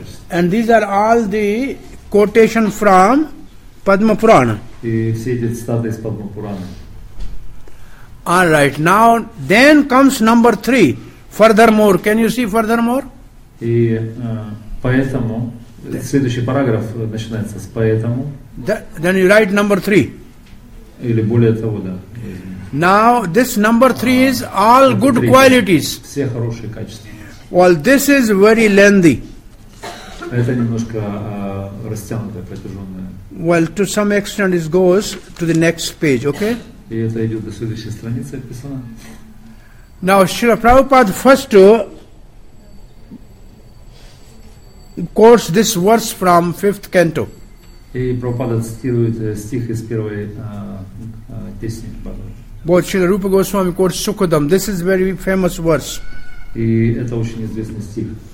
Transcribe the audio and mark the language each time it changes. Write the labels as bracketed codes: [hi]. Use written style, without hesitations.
[en] And these are all the quotation from Padma Purana. [ru] И все эти цитаты из Падма Пурана. [en] All right. Now, then comes number three. Furthermore, can you see furthermore? [ru] И поэтому следующий параграф начинается с поэтому. [en] Then you write number three. [ru] Или более того, да. [en] Now this number three is all good qualities. [ru] Все хорошие качества. [en] Well, this is very lengthy. [ru] Это немножко растянутое, протяженное. [en] Well, to some extent, it goes to the next page. Okay. [ru] И это идет до следующей страницы описано. [en] Now, Srila Prabhupada first quotes this verse from fifth canto. [ru] И Прабхупада цитирует стих из первой песни. [en] Both Srila Rupa Goswami quotes Sukadam. This is very famous verse. [ru] И это очень известный стих.